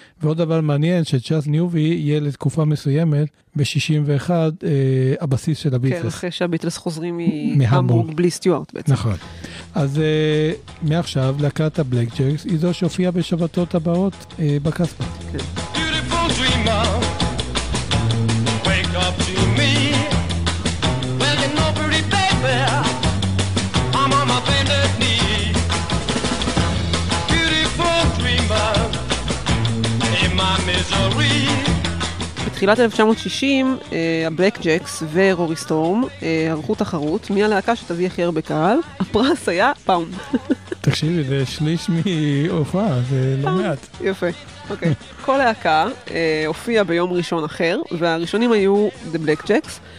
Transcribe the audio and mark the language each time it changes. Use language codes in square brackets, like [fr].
[he] ועוד דבר מעניין, שצ'אס ניובי יהיה לתקופה מסוימת, ב-61, הבסיס של הביטלס. כן, אחרי שהביטלס חוזרים מהמבורג בלי סטיוארט בעצם. נכון. אז מעכשיו, להקת הבלק ג'קס, היא זו שהופיעה בשבתות הבאות בקספה. [en] Beautiful dreamer, wake up to me. Well, you know pretty baby, I'm on my bended knee. Beautiful dreamer, in my misery. [he] בתחילת 1960, הבלק ג'קס ורורי סטורם ערכו תחרות מי הלהקה שתביא הכי הרבה קהל. הפרס היה פאונד. תקשיבי, זה שליש מהופעה, זה לא מעט. יפה, אוקיי. כל להקה הופיע ביום ראשון אחר, והראשונים היו The Black Jacks.